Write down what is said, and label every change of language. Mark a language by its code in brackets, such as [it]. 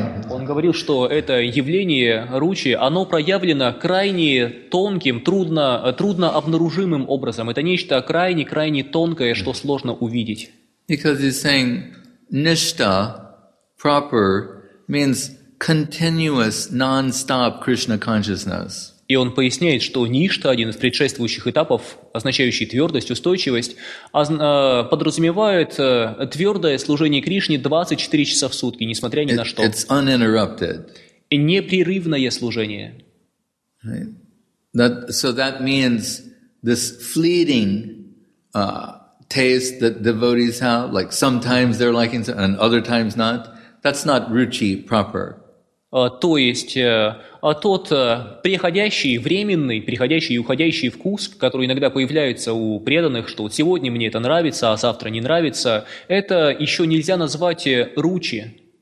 [ru] Он говорил, что это явление Ручи, оно проявлено крайне тонким, трудно обнаружимым образом. Это нечто крайне тонкое, что сложно увидеть. [en] Because he's saying nishta proper means continuous non-stop Krishna consciousness. [ru] И он поясняет, что ништа, один из предшествующих этапов, означающий твердость, устойчивость, подразумевает твердое служение Кришне 24 часа в сутки, несмотря ни на что. [en] It's uninterrupted. [ru] И непрерывное служение. [en] Right. That means this fleeting taste that devotees have, like sometimes they're liking something and other times not, that's not ruchi proper. [ru] То есть тот приходящий, временный, приходящий и уходящий вкус, который иногда появляется у преданных, что вот сегодня мне это нравится, а завтра не нравится, это еще нельзя назвать ручи.